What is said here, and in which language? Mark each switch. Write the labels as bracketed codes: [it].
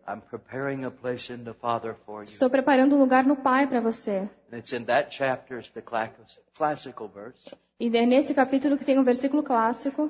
[en] I'm preparing a place in the Father for you. [pt] Estou preparando um lugar no Pai para você. [en] And it's in that chapter, it's the classical verse. [pt] E é nesse capítulo que tem um versículo clássico.